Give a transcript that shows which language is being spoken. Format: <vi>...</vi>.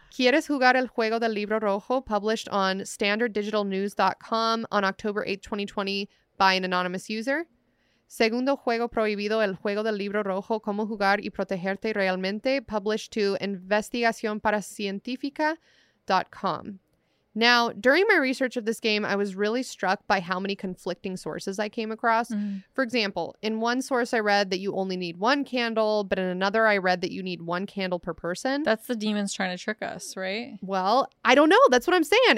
<es>¿Quieres jugar el juego del Libro Rojo?</es> <en>Published on standarddigitalnews.com on October 8, 2020, by an anonymous user. Segundo Juego Prohibido, El Juego del Libro Rojo, Cómo Jugar y Protegerte Realmente, published to investigacionparascientifica.com. Now, during my research of this game, I was really struck by how many conflicting sources I came across. Mm-hmm. For example, in one source I read that you only need one candle, but in another I read that you need one candle per person. That's the demons trying to trick us, right? Well, I don't know. That's what I'm saying.</en>